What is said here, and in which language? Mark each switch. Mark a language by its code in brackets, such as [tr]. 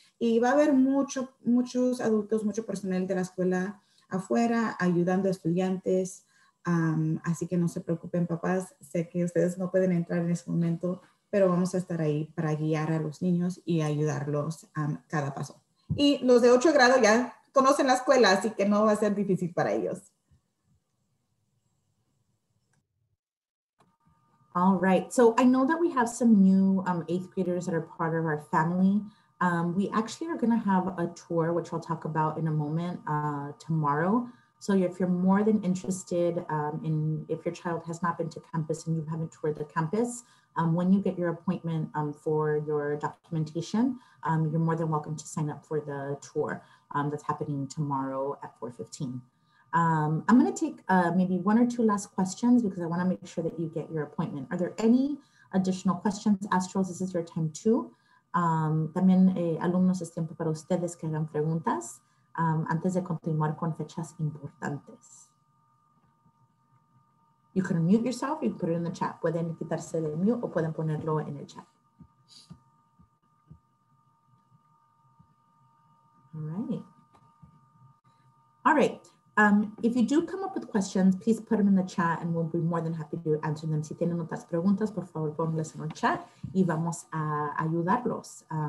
[es] Y va a haber muchos adultos, mucho personal de la escuela afuera ayudando a estudiantes, así que no se preocupen, papás, sé que ustedes no pueden entrar en ese momento, pero vamos a estar ahí para guiar a los niños y ayudarlos cada paso. Y los de 8 grado ya conocen la escuela, así que no va a ser difícil para ellos. [en] All right, so I know that we have some new eighth graders that are part of our family. We actually are gonna have a tour, which I'll talk about in a moment, tomorrow. So if you're more than interested if your child has not been to campus and you haven't toured the campus, when you get your appointment for your documentation, you're more than welcome to sign up for the tour that's happening tomorrow at 4:15. I'm gonna take maybe one or two last questions because I wanna make sure that you get your appointment. Are there any additional questions? Astros, this is your time too. [es] También alumnos, es tiempo para ustedes que hagan preguntas antes de continuar con fechas importantes. [en] You can unmute yourself, you can put it in the chat. [es] Pueden quitarse el mute o pueden ponerlo en el chat. [en] All right. If you do come up with questions, please put them in the chat and we'll be more than happy to answer them. [es] Si tienen otras preguntas, por favor, póngalas en el chat y vamos a ayudarlos.